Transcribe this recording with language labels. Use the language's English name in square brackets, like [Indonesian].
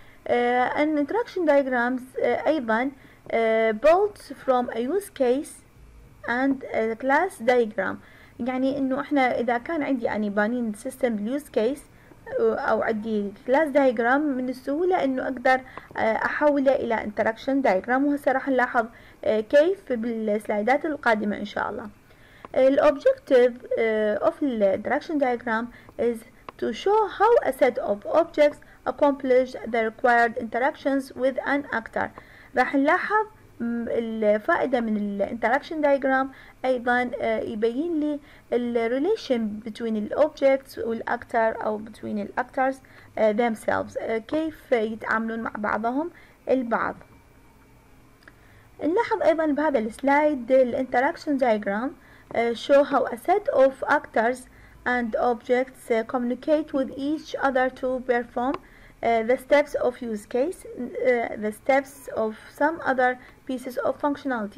[English] ان interaction diagrams ايضا built from a use case and class diagram, [Arabic] يعني انه احنا اذا كان عندي اني بانين سيستم يوز كيس او عندي كلاس دايجرام، من السهولة انه اقدر احوله الى انتراكشن دايجرام، وهسه راح نلاحظ كيف بالسلايدات القادمة ان شاء الله. [English] The objective of the interaction diagram is to show how a set of objects accomplish the required interactions with an actor. [Arabic] راح نلاحظ الفائدة من ال interaction diagram أيضا يبين لي [English] the relation between the objects and the actor [Arabic] أو [English] between the actors themselves، [Arabic] كيف يتعاملون مع بعضهم البعض. نلاحظ أيضا بهذا السلايد ال [English] interaction diagram show how a set of actors and objects communicate with each other to perform the steps of use case the steps of some other pieces of functionality.